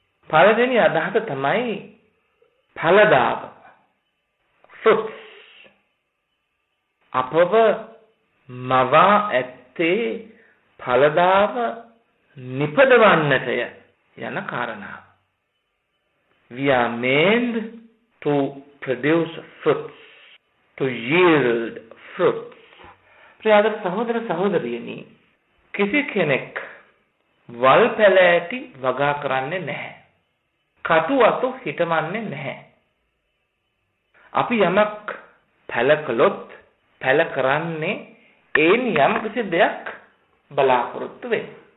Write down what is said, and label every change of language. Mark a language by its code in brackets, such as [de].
[si] පළවෙනි අදහස තමයි ඵලදාව. අපව මවා ඇත්තේ ඵලදාව නිපදවන්නටය යන කාරණාව. [en] We are made to produce fruits, to yield fruits. [si] ප්‍රියදර සහෝදර සහෝදරියනි, කිසි කෙනෙක් වල් පැලෑටි වගා කරන්නේ නැහැ. කටු අතු හිටවන්නේ නැහැ. අපි යමක් පැල කළොත් පැල කරන්නේ ඒන් යම් කිසි දෙයක් බලාපොරොත්තු වෙන.